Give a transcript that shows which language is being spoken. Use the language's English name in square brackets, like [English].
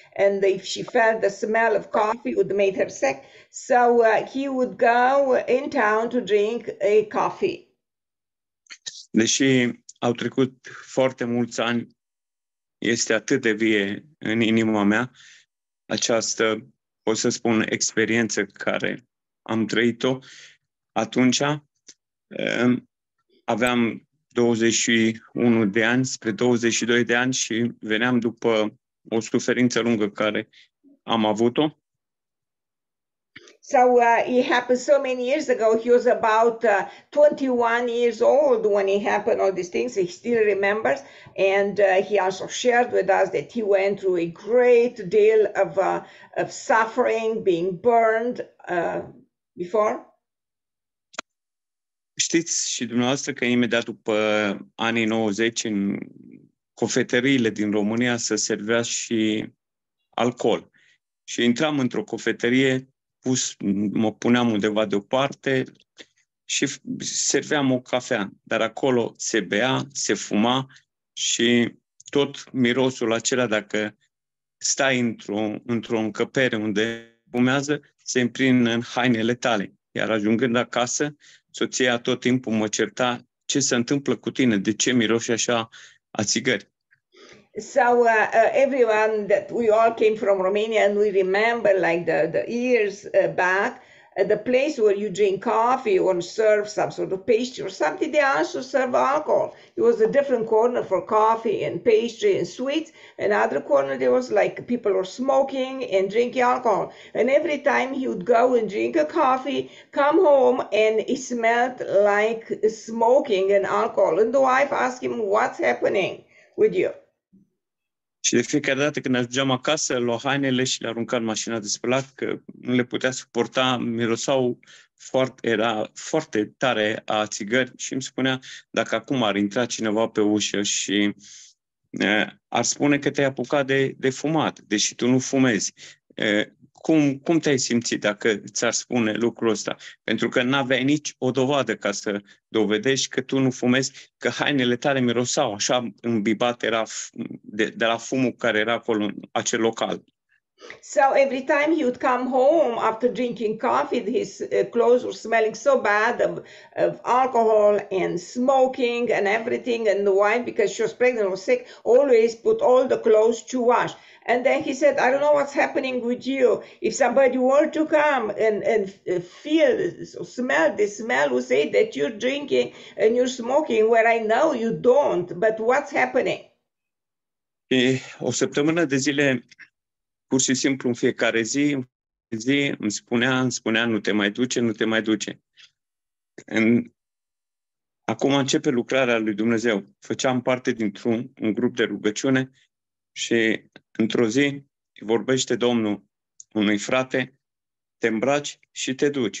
[English] And if she felt the smell of coffee, it would make her sick. So he would go in town to drink a coffee. [Romanian] Deși au trecut foarte mulți ani, este atât de vie în inima mea această, pot să spun, experiență care am trăit-o. Atunci aveam 21 de ani, spre 22 de ani și veneam după o suferință lungă care am avut-o. [English] So it happened so many years ago. He was about 21 years old when it happened, all these things. He still remembers. And he also shared with us that he went through a great deal of suffering, being burned before. [Romanian] Știți și dumneavoastră că imediat după anii 90, în cofetăriile din România se servea și alcool. Și intram într-o cofetărie, mă puneam undeva deoparte și serveam o cafea, dar acolo se bea, se fuma și tot mirosul acela, dacă stai într-o încăpere unde fumează, se împrinde în hainele tale. Iar ajungând acasă, soția tot timpul mă certa, ce se întâmplă cu tine, de ce miroși așa a țigări? [English] So everyone that we all came from Romania, and we remember like the years back, the place where you drink coffee or serve some sort of pastry or something, they also serve alcohol. It was a different corner for coffee and pastry and sweets. Another corner, there was like people were smoking and drinking alcohol. And every time he would go and drink a coffee, come home, and it smelled like smoking and alcohol. And the wife asked him, what's happening with you? [Romanian] Și de fiecare dată când ajungeam acasă, lua hainele și le arunca în mașina de spălat, că nu le putea suporta, mirosau foarte, era foarte tare a țigări și îmi spunea, dacă acum ar intra cineva pe ușă și ar spune că te-ai apucat de fumat, deși tu nu fumezi. Cum te-ai simțit dacă ți-ar spune lucrul ăsta? Pentru că n-aveai nici o dovadă ca să dovedești că tu nu fumezi, că hainele tale mirosau așa îmbibat era de la fumul care era acolo în acel local. [English] So every time he would come home after drinking coffee, his clothes were smelling so bad of alcohol and smoking and everything. And the wife, because she was pregnant or sick, always put all the clothes to wash. And then he said, I don't know what's happening with you. If somebody were to come and feel or smell this smell, would say that you're drinking and you're smoking, where I know you don't, but what's happening? [Romanian] O săptămână de zile... Pur și simplu în fiecare zi îmi spunea nu te mai duce, nu te mai duce. Acum începe lucrarea lui Dumnezeu. Făceam parte dintr-un grup de rugăciune și într-o zi vorbește Domnul unui frate, te îmbraci și te duci.